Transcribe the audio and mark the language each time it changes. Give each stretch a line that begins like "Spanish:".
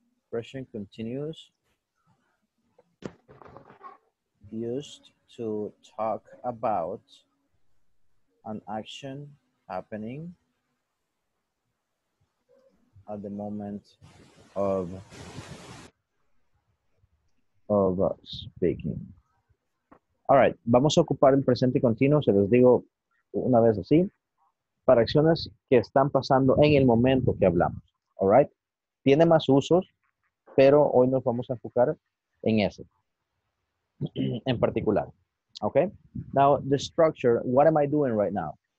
English: Present continuous used to talk about an action happening at the moment of speaking.
Spanish: All right, vamos a ocupar el presente continuo, se los digo una vez así, para acciones que están pasando en el momento que hablamos. All right, tiene más usos, pero hoy nos vamos a enfocar en ese, en particular.
English: Okay, now the structure, what am I doing right now?